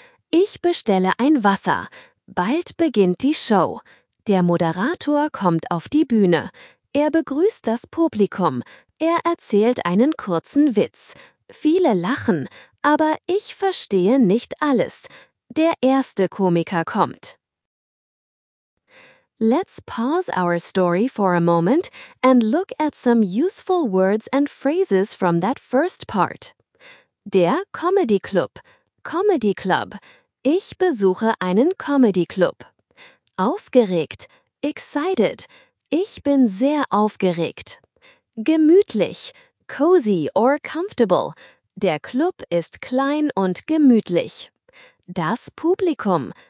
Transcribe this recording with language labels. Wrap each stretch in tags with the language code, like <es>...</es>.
<de>Ich bestelle ein Wasser. Bald beginnt die Show. Der Moderator kommt auf die Bühne. Er begrüßt das Publikum. Er erzählt einen kurzen Witz. Viele lachen, aber ich verstehe nicht alles. Der erste Komiker kommt.</de> <en>Let's pause our story for a moment and look at some useful words and phrases from that first part.</en> <de>Der Comedy Club. Comedy Club. Ich besuche einen Comedy Club. Aufgeregt. Excited. Ich bin sehr aufgeregt. Gemütlich.</de> <en>Cozy or comfortable.</en> <de>Der Club ist klein und gemütlich. Das Publikum.</de>